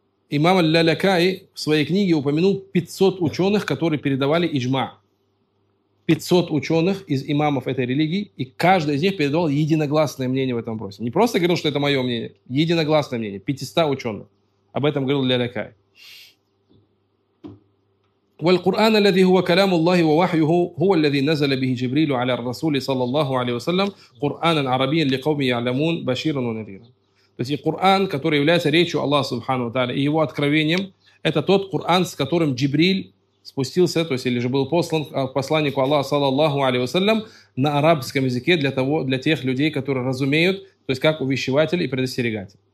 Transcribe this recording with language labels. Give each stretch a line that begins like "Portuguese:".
Russian: Имам аль-Лалякаи в своей книге упомянул 500 ученых, которые передавали иджма. 500 ученых из имамов этой религии, и каждый из них передавал единогласное мнение в этом вопросе. Не просто говорил, что это мое мнение, единогласное мнение, 500 ученых. Об этом говорил Лалякаи.
Arabic: والقرآن الذي هو كلام الله ووحيه هو الذي نزل به جبريل على الرسول صلى الله عليه وسلم قرآنا عربيا لقوم يعلمون بشيرا ونذيرا.
Russian: То есть и Коран, который является речью Аллаха Субхану и его откровением, это тот Коран, с которым Джибриль спустился, то есть или же был послан к посланнику Аллаха саллаллаху алейхи ва саллям на арабском языке для того, для тех людей, которые разумеют, то есть как увещеватель и предостерегатель.